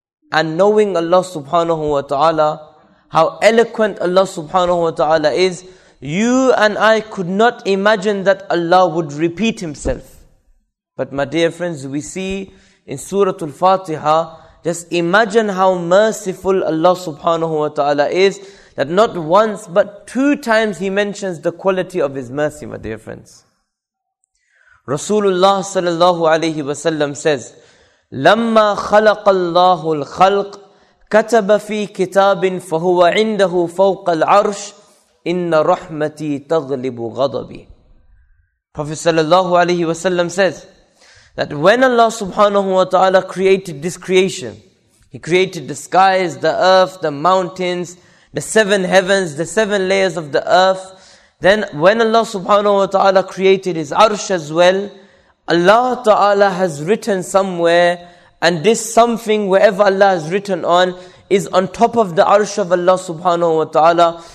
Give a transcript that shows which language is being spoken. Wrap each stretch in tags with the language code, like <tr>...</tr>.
<en>And knowing Allah subhanahu wa ta'ala, how eloquent Allah subhanahu wa ta'ala is, you and I could not imagine that Allah would repeat Himself. But my dear friends, we see in Suratul Fatiha, just imagine how merciful Allah subhanahu wa ta'ala is, that not once but 2 times He mentions the quality of His mercy, my dear friends.</en> <ar>Rasulullah sallallahu alayhi wa sallam says, لَمَّا خَلَقَ اللَّهُ الْخَلْقِ كَتَبَ فِي كِتَابٍ فَهُوَ عِنْدَهُ فَوْقَ الْعَرْشِ إِنَّ رَحْمَتِي تَغْلِبُ غَضَبِي.</ar> <en>Prophet sallallahu alayhi wa sallam says that when Allah subhanahu wa ta'ala created this creation, He created the skies, the earth, the mountains, the 7 heavens, the 7 layers of the earth. Then when Allah subhanahu wa ta'ala created His arsh as well, Allah ta'ala has written somewhere, and this something, wherever Allah has written on, is on top of the arsh of Allah subhanahu wa ta'ala.</en>